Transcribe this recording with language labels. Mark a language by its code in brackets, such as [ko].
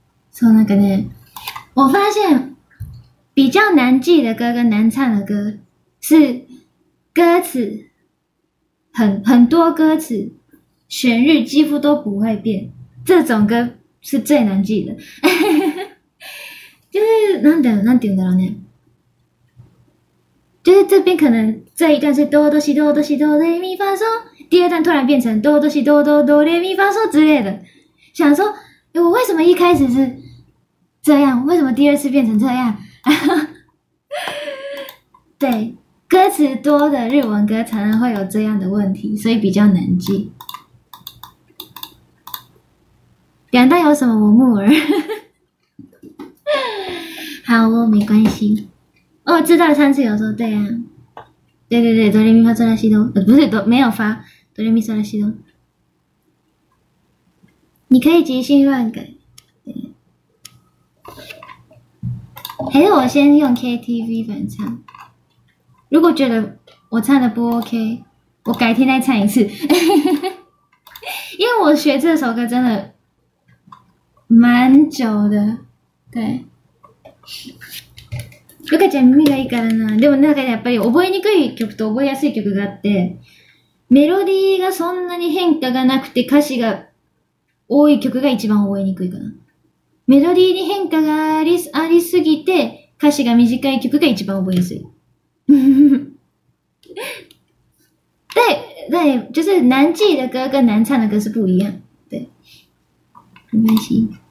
[ja] そうなんかね、 [zh] 我发现比较难记的歌跟难唱的歌是歌词，很多歌词旋律几乎都不会变，这种歌是最难记的。就是 [ja] なんて言うんだろうね。 [zh] 就是这边可能这一段是哆哆西哆哆西哆来咪发嗦，第二段突然变成哆哆西哆哆哆来咪发嗦之类的。想说，欸，我为什么一开始是这样？为什么第二次变成这样？对，歌词多的日文歌常常会有这样的问题，所以比较难记。两段有什么？我木耳。好哦，没关系。哦，知道了，上次有说对啊，对对对，哆来咪发嗦拉西哆，不是哆，没有发，哆来咪嗦拉西哆。你可以即兴乱改，还是我先用 KTV 版唱？如果觉得我唱的不 OK， 我改天再唱一次。因为我学这首歌真的蛮久的，对。 [ja] ルカちゃん耳がいいからな。でもなんかやっぱり覚えにくい曲と覚えやすい曲があって、メロディーがそんなに変化がなくて歌詞が多い曲が一番覚えにくいかな。メロディーに変化がありすぎて歌詞が短い曲が一番覚えやすい。 [zh] 对对，就是难记的歌跟难唱的歌是不一样。对，没关系。